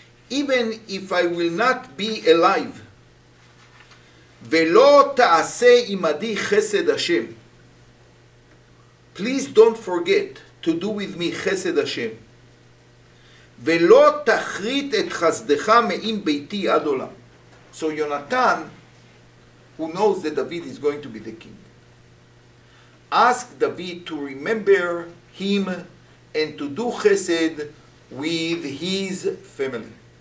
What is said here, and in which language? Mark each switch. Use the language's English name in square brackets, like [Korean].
[English] Even if I will not be alive, [Hebrew] ולא תעשה עמדי חסד השם. [English] Please don't forget to do with me חסד השם. [Hebrew] ולא תחרית את חסדך מעם ביתי עד עולם. [English] So Yonatan, who knows that David is going to be the king, ask David to remember him and to do חסד with his family.